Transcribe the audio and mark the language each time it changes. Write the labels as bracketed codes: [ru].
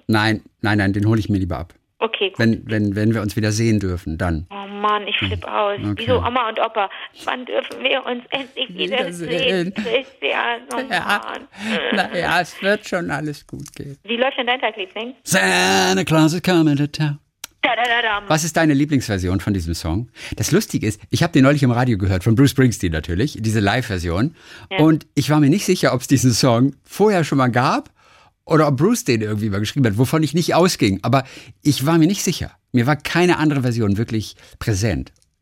[de] Nein, den hole ich mir lieber ab. Okay, gut. Wenn wir uns wieder sehen dürfen, dann. Oh Mann, ich flipp aus. Okay. Wieso Oma und Opa? Wann dürfen wir uns endlich wieder sehen? Christian, oh Mann. Naja, es wird schon alles gut gehen. Wie läuft denn dein Tag, Liebling? [en] Santa Claus is coming to town. [de] Was ist deine Lieblingsversion von diesem Song? Das Lustige ist, ich habe den neulich im Radio gehört, von Bruce Springsteen natürlich, diese Live-Version. Ja. Und ich war mir nicht sicher, ob es diesen Song vorher schon mal gab oder ob Bruce den irgendwie mal geschrieben hat, wovon ich nicht ausging. Aber ich war mir nicht sicher. Mir war keine andere Version wirklich präsent.